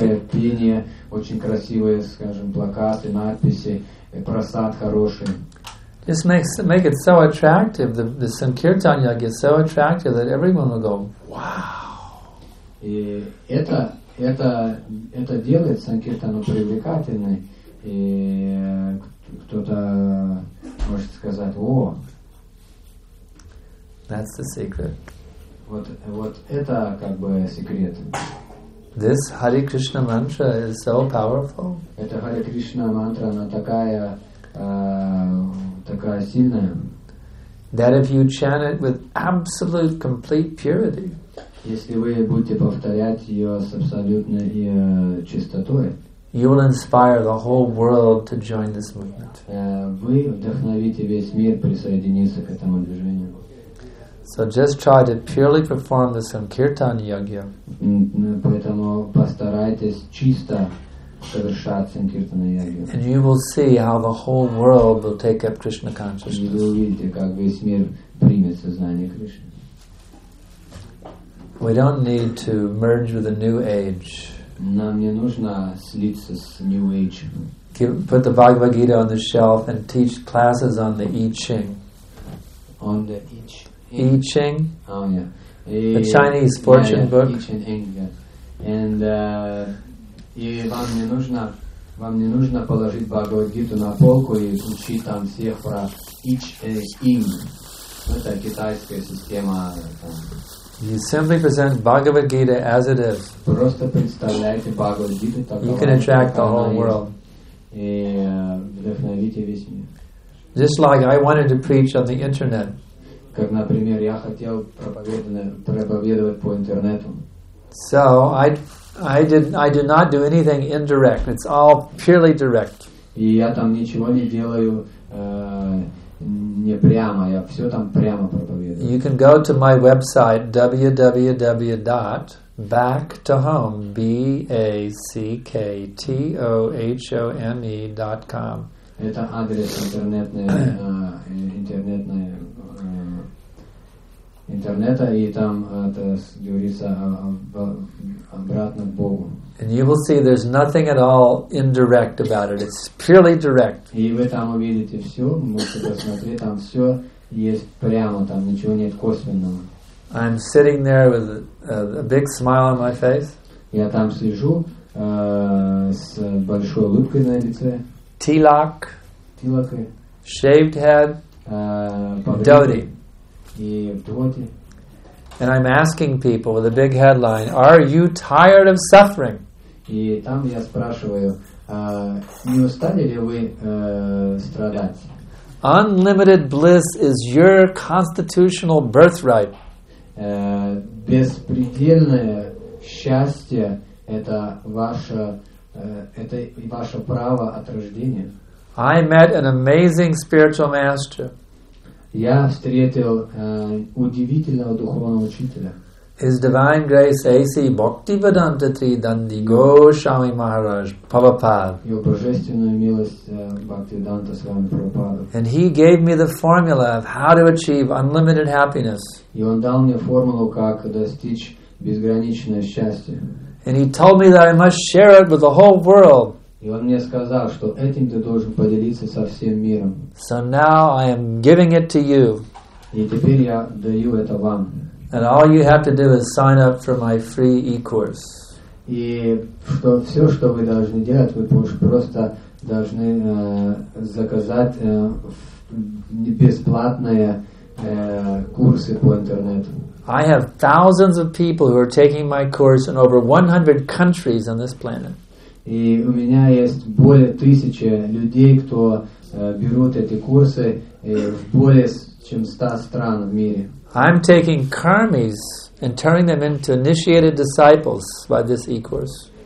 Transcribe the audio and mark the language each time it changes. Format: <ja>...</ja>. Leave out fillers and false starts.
<ru>Пение, очень красивые, скажем, плакаты, надписи, просад хороший.</ru> <en>Just make it so attractive, the Sankirtan Yagya is so attractive that everyone will go, wow.</en> <ru>И это делает Санкиртану привлекательной, и кто-то может сказать, о.</ru> <en>That's the secret.</en> <ru>Вот это как бы секрет.</ru> <en>This Hare Krishna mantra is so powerful.</en> <ru>Эта Hare Krishna mantra, она такая сильная.</ru> <en>That if you chant it with absolute complete purity.</en> <ru>Если вы будете повторять ее с абсолютной чистотой,</ru> <en>you will inspire the whole world to join this movement.</en> <ru>Вы вдохновите весь мир присоединиться к этому движению.</ru> <en>So just try to purely perform the Sankirtan Yagya.</en> <ru>Поэтому постарайтесь чисто совершать Sankirtan Yagya.</ru> <en>And you will see how the whole world will take up Krishna consciousness.</en> <ru>И вы увидите, как весь мир примет сознание Кришны.</ru> <en>We don't need to merge with the new age.</en> <ru>Нам не нужно слиться с</ru> <en>new age. Put the Bhagavad Gita on the shelf and teach classes on the I Ching. On the I Ching. I Ching. Oh yeah. The Chinese fortune book.</en> <ru>I Ching, и вам не нужно положить Bhagavad Gita на полку и учить там всех про I Ching. Это китайская система.</ru> <en>You simply present Bhagavad Gita as it is.</en> <ru>Просто представляйте Бхагавад Гиту такой.</ru> <en>You can attract the whole world.</en> <ru>И вдохновите весь мир.</ru> <en>Just like I wanted to preach on the internet.</en> <ru>Как, например, я хотел проповедовать по интернету.</ru> <en>So I do not do anything indirect. It's all purely direct.</en> <ru>И я там ничего не делаю. Не прямо, я все там прямо проповедую.</ru> <en>You can go to my website www.backtohome.com.</en> <ru>Это адрес интернета, и там это говорится обратно к Богу.</ru> <en>And you will see there's nothing at all indirect about it. It's purely direct.</en> <ru>И вы там увидите все, можете посмотреть, там все есть прямо, там ничего нет косвенного.</ru> <en>I'm sitting there with a big smile on my face.</en> <ru>Я там сижу с большой улыбкой на лице.</ru> <en>Tilak.</en> <ru>Тилак.</ru> <en>Shaved head. Dhoti.</en> <ru>И dhoti.</ru> <en>And I'm asking people with a big headline, are you tired of suffering?</en> <ru>И там я спрашиваю, не устали ли вы страдать?</ru> <en>Unlimited bliss is your constitutional birthright.</en> <ru>Беспредельное счастье это ваше право от рождения.</ru> <en>I met an amazing spiritual master.</en> <ru>Я встретил удивительного духовного учителя.</ru> <en>His Divine Grace A.C. Bhaktivedanta Tridandi Goswami Maharaj Prabhupada.</en> <ru>Его божественная милость Бхактиведанта Свами Прабхупада.</ru> <en>And he gave me the formula of how to achieve unlimited happiness.</en> <ru>И он дал мне формулу, как достичь безграничное счастье.</ru> <en>And he told me that I must share it with the whole world.</en> <ru>И он мне сказал, что этим ты должен поделиться со всем миром.</ru> <en>So now I am giving it to you.</en> <ru>И теперь я даю это вам.</ru> <en>And all you have to do is sign up for my free e-course.</en> <ru>И что все, что вы должны делать, вы просто должны заказать бесплатные курсы по интернету.</ru> <en>I have thousands of people who are taking my course in over 100 countries on this planet.</en> <ru>И у меня есть более тысячи людей, кто берут эти курсы в более чем 100 стран в мире.</ru> <en>I'm taking karmis and turning them into initiated disciples by this e-course.</en>